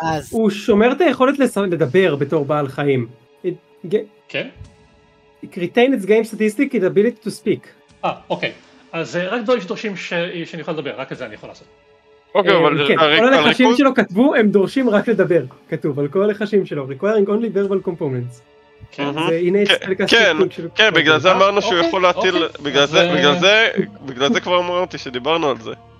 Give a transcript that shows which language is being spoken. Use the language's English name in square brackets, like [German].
[Hebrew] הוא שומר את היכולת לדבר בתור בעל חיים. כן? [English] Retained game statistic, the ability to speak. [Hebrew] אוקיי. אז רק דברים שדורשים שאני יכול לדבר, רק את זה אני יכול לעשות. אוקיי, אבל כל הלחשים שלו כתבו, הם דורשים רק לדבר. כתוב על כל הלחשים שלו. [English] Requiring only verbal components. [Hebrew] כן, בגלל זה אמרנו שהוא יכול להטיל, בגלל זה כבר אמרתי שדיברנו על זה.